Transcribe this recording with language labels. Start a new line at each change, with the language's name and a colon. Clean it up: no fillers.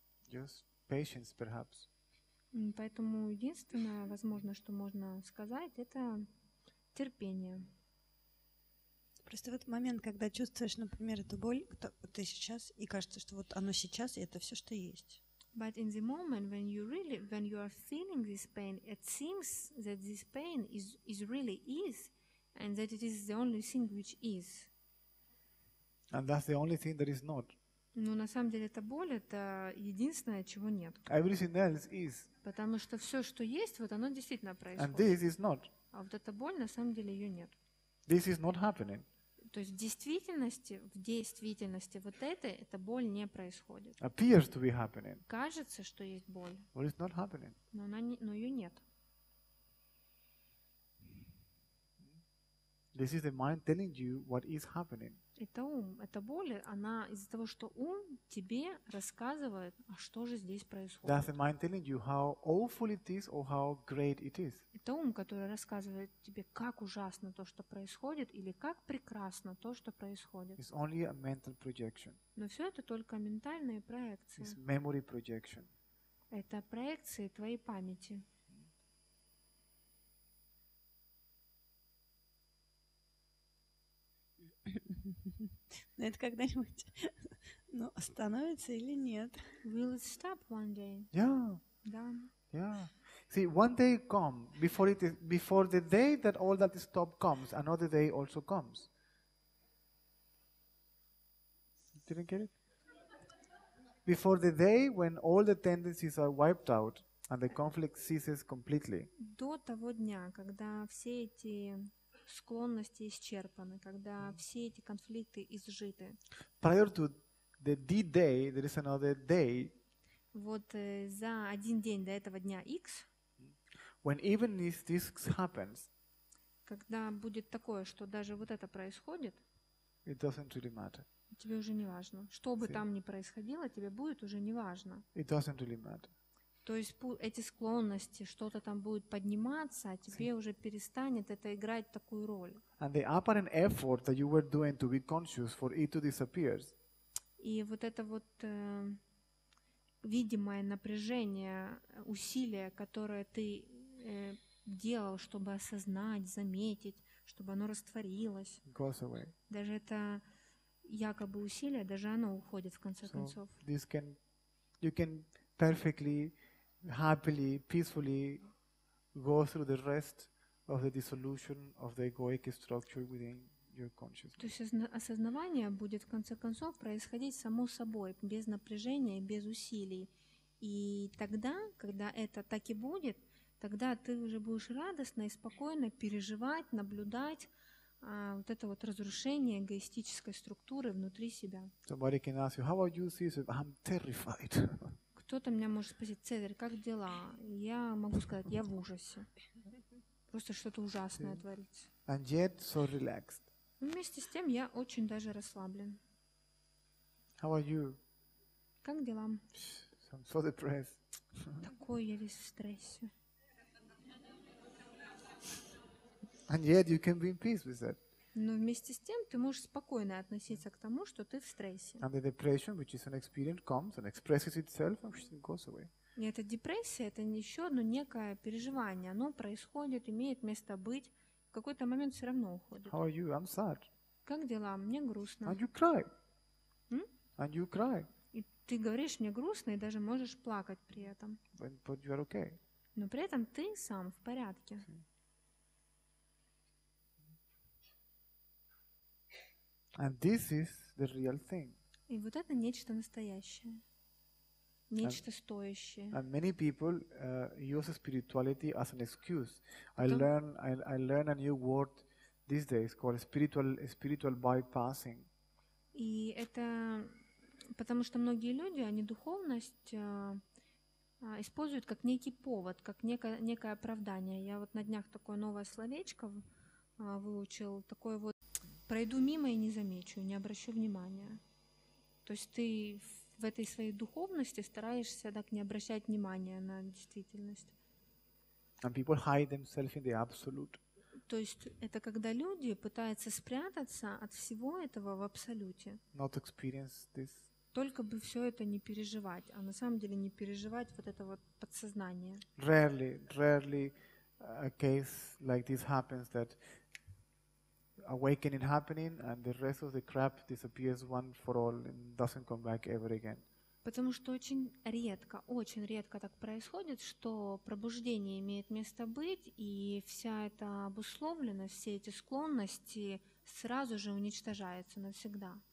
English: Just patience, perhaps.
Russian: Поэтому единственное, возможно, что можно сказать, это терпение. Просто вот момент, когда чувствуешь, например, эту боль, кто, ты сейчас, и кажется, что вот оно сейчас, и это все, что есть.
English: But in the moment when you really, when you are feeling this pain, it seems that this pain is really is, and that it is the only thing which is. And that's the only thing that is not.
Russian: Ну, на самом деле, эта боль — это единственное, чего нет.
English: Everything else is.
Russian: Потому что все, что есть, вот оно действительно происходит.
English: And this is not.
Russian: А вот эта боль, на самом деле, ее нет.
English: This is not happening.
Russian: То есть в действительности вот эта боль не происходит.
English: Appears to be happening.
Russian: Кажется, что есть боль.
English: But it's not happening.
Russian: Но ее нет.
English: This is the mind telling you what is happening.
Russian: Это ум. Эта боль, она из-за того, что ум тебе рассказывает, а что же здесь происходит.
English: That's the mind telling you how awful it is or how great it is.
Russian: Это ум, который рассказывает тебе, как ужасно то, что происходит, или как прекрасно то, что происходит.
English: It's only a mental projection.
Russian: Но все это только ментальные проекции.
English: It's memory projection.
Russian: Это проекции твоей памяти. Но это когда-нибудь, ну, остановится или нет?
English: Will it stop one day? Yeah.
Russian: Да.
English: Yeah. See, one day comes before it is, before the day that all that stop comes, another day also comes. Didn't get it? Before the day when all the tendencies are wiped out and the conflict ceases completely.
Russian: До того дня, когда все эти склонности исчерпаны, когда все эти конфликты изжиты.
English: Prior to the D-day, there is another day.
Russian: Вот за один день до этого дня X.
English: When even if this happens.
Russian: Когда будет такое, что даже вот это происходит.
English: It doesn't really matter.
Russian: Тебе уже не важно, что бы там ни происходило, тебе будет уже не важно.
English: It doesn't really matter.
Russian: То есть эти склонности, что-то там будет подниматься, а тебе уже перестанет это играть такую роль. И вот это вот видимое напряжение, усилие, которое ты делал, чтобы осознать, заметить, чтобы оно растворилось.
English: Goes away.
Russian: Даже это якобы усилие, даже оно уходит в конце концов.
English: This can, you can perfectly happily, peacefully go through the rest of the dissolution of the egoic structure within your consciousness.
Russian: То есть осознавание будет в конце концов происходить само собой, без напряжения, без усилий. И тогда, когда это так и будет, тогда ты уже будешь радостно и спокойно переживать, наблюдать вот это вот разрушение эгоистической структуры внутри себя.
English: Somebody can ask you, how are you? I'm terrified.
Russian: Кто-то меня может спросить, Цезарь, как дела? Я могу сказать, я в ужасе. Просто что-то ужасное творится.
English: And yet so relaxed.
Russian: Вместе с тем я очень даже расслаблен.
English: How are you?
Russian: Как дела?
English: I'm so depressed.
Russian: Такой я весь в стрессе.
English: And yet you can be in peace with that.
Russian: Но вместе с тем ты можешь спокойно относиться к тому, что ты в стрессе.
English: And the depression, which is an experience, comes and expresses itself and it goes away.
Russian: И эта депрессия — это еще одно некое переживание. Оно происходит, имеет место быть. В какой-то момент все равно уходит.
English: How are you? I'm sad.
Russian: Как дела? Мне грустно.
English: And you cry. Hmm? And you cry.
Russian: И ты говоришь, мне грустно, и даже можешь плакать при этом.
English: But you are okay.
Russian: Но при этом ты сам в порядке.
English: And this is the real thing.
Russian: И вот это нечто настоящее, нечто стоящее.
English: And many people use spirituality as an excuse. I learn a new word these days called spiritual bypassing.
Russian: И это потому что многие люди, они духовность используют как некий повод, как некое оправдание. Я вот на днях такое новое словечко выучил, такое вот «пройду мимо и не замечу, не обращу внимания». То есть ты в этой своей духовности стараешься так не обращать внимания на действительность.
English: And people hide themselves in the absolute.
Russian: То есть это когда люди пытаются спрятаться от всего этого в абсолюте.
English: Not experience this.
Russian: Только бы все это не переживать, а на самом деле не переживать вот это вот подсознание.
English: Rarely a case like this happens, that awakening happening and the rest of the crap disappears one for all and doesn't come back ever again.
Russian: Потому что очень редко так происходит, что пробуждение имеет место быть, и вся эта обусловленность, все эти склонности сразу же уничтожаются навсегда.